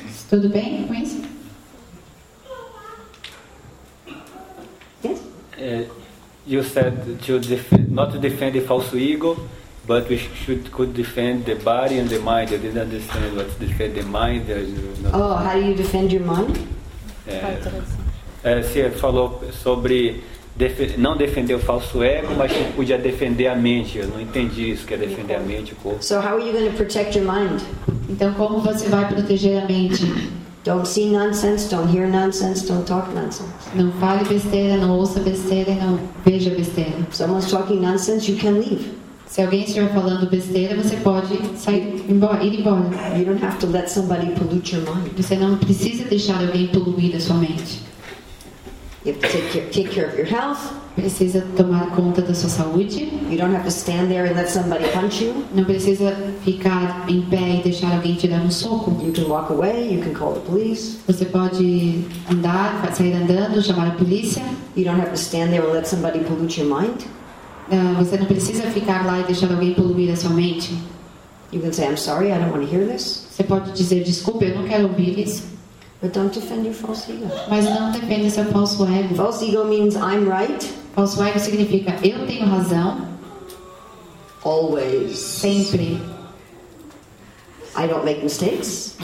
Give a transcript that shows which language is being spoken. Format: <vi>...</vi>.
<pt>Tudo bem com isso?</pt> <en>Yes? You said to not to defend the false ego, but we could defend the body and the mind. I didn't understand what to defend the mind. Oh, how do you defend your mind?</en> <pt>Você falou sobre não defender o falso ego, mas você podia defender a mente. Eu não entendi isso, que é defender a mente, o corpo.</pt> <en>So how are you going to protect your mind?</en> <pt>Então como você vai proteger a mente?</pt> <en>Don't see nonsense, don't hear nonsense, don't talk nonsense.</en> <pt>Não fale besteira, não ouça besteira, não veja besteira.</pt> <en>Someone's talking nonsense, you can leave.</en> <pt>Se alguém estiver falando besteira, você pode ir embora.</pt> <en>You don't have to let somebody pollute your mind.</en> <pt>Você não precisa deixar alguém poluir a sua mente.</pt> <en>You have to take care of your health.</en> <pt>Precisa tomar conta da sua saúde.</pt> <en>You don't have to stand there and let somebody punch you.</en> <pt>Não precisa ficar em pé e deixar alguém te dar soco.</pt> <en>You can walk away. You can call the police.</en> <pt>Você pode andar, sair andando, chamar a polícia.</pt> <en>You don't have to stand there and let somebody pollute your mind.</en> <pt>Você não precisa ficar lá e deixar alguém poluir a sua mente.</pt> <en>You can say, I'm sorry, I don't want to hear this.</en> <pt>Você pode dizer, desculpe, eu não quero ouvir isso.</pt> <en>But don't defend your false ego.</en> <pt>Mas não defenda seu falso ego.</pt> <en>False ego means I'm right.</en> <pt>Falso ego significa eu tenho razão.</pt> <en>Always.</en> <pt>Sempre.</pt> <en>I don't make mistakes.</en>